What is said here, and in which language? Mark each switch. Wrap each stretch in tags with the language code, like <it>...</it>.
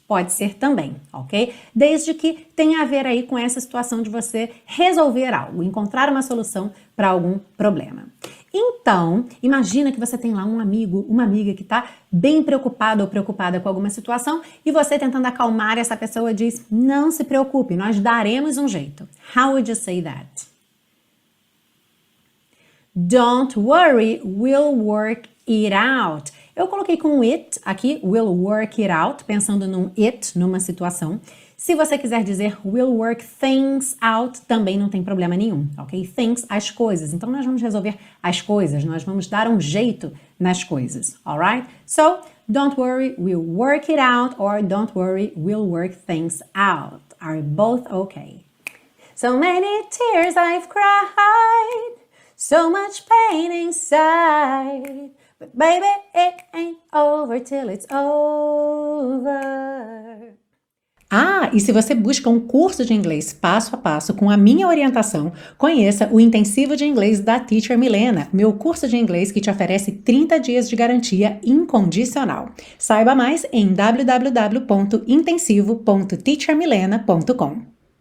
<pt>Pode ser também, ok? Desde que tenha a ver aí com essa situação de você resolver algo, encontrar uma solução para algum problema. Então, imagina que você tem lá um amigo, uma amiga que está bem preocupada ou preocupada com alguma situação e você tentando acalmar essa pessoa diz, não se preocupe, nós daremos um jeito.</pt> <en>How would you say that? Don't worry, we'll work it out.</en> <pt>Eu coloquei com it aqui,</pt> <en>we'll work it out,</en> <pt>pensando num it, numa situação. Se você quiser dizer</pt> <en>we'll work things out,</en> <pt>também não tem problema nenhum, ok? Things, as coisas. Então, nós vamos resolver as coisas, nós vamos dar um jeito nas coisas, alright?</pt> <en>So, don't worry, we'll work it out, or don't worry, we'll work things out. Are both okay? So many tears I've cried, so much pain inside, but baby, it ain't over till it's over.</en> <pt>Ah, e se você busca um curso de inglês passo a passo com a minha orientação, conheça o Intensivo de Inglês da Teacher Milena, meu curso de inglês que te oferece 30 dias de garantia incondicional. Saiba mais em www.intensivo.teachermilena.com.</pt>